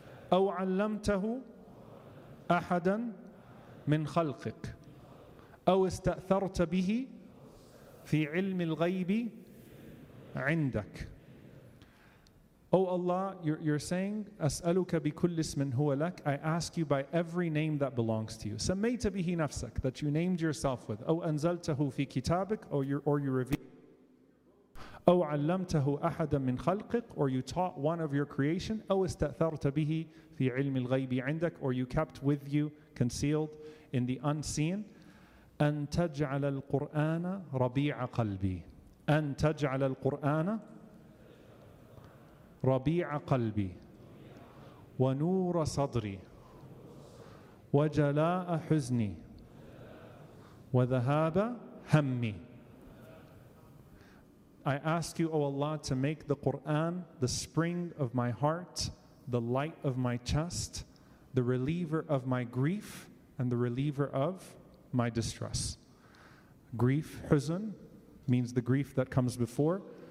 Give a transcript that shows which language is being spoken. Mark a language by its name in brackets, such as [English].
[Arabic] Aw allamtahu ahadan من خلقك أو استأثرت به في علم الغيب عندك. [English] Oh Allah, you're saying [Arabic] أسألك بكل اسم هو لك. [English] I ask you by every name that belongs to you. [Arabic] سميت به نفسك, [English] that you named yourself with. [Arabic] أو أنزلته في كتابك, [English] or you revealed. [Arabic] أو علمته أحدا من خلقك, [English] or you taught one of your creation. [Arabic] أو استأثرت به في علم الغيب عندك, [English] or you kept with you concealed in the unseen. [Arabic] أن تجعل القرآن ربيع قلبي. أن تجعل القرآن ربيع قلبي ونور صدري وجلاء حزني وذهاب همي. [English] I ask you, O Allah, to make the Quran the spring of my heart, the light of my chest, the reliever of my grief, and the reliever of my distress. Grief, huzn, means the grief that comes before.